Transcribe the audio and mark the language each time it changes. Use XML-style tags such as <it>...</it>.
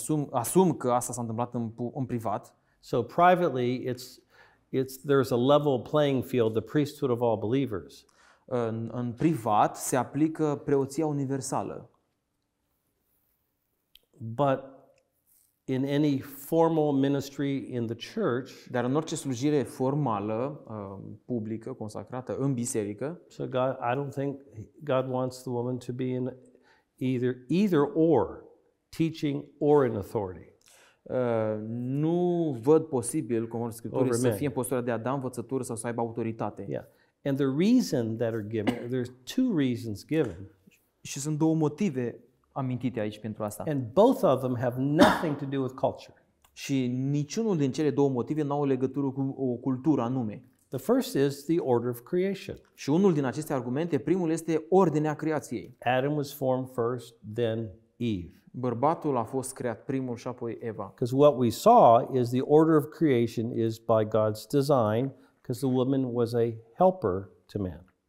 <ro>Asum că asta s-a întâmplat în privat.</ro> <en>So privately, it's there's a level playing field, the priesthood of all believers.</en> <ro>În privat se aplică preoția universală.</ro> <en>But in any formal ministry in the church,</en> <ro>dar în orice slujire formală, publică, consacrată în biserică.</ro> <en>So God, I don't think God wants the woman to be in either or, teaching or in authority.</en> <ro>Nu văd posibil, conform Scripturii, să fie în postura de a da învățătură sau să aibă autoritate.</ro> <en>Yeah. And the reason that are given, there's two reasons given.</en> <ro>Și sunt două motive amintite aici pentru asta.</ro> <en>And both of them have nothing to do with culture.</en> <ro>Și niciunul din cele două motive n-au legătură cu o cultură anume.</ro> <en>The first is the order of creation.</en> <ro>Și unul din aceste argumente, primul este ordinea creației.</ro> <en>Adam was formed first, then Eve.</en> <ro>Bărbatul a fost creat primul și apoi Eva.</ro> <en>Because what we saw is the order of creation is by God's design, because the woman was a helper to man.</en>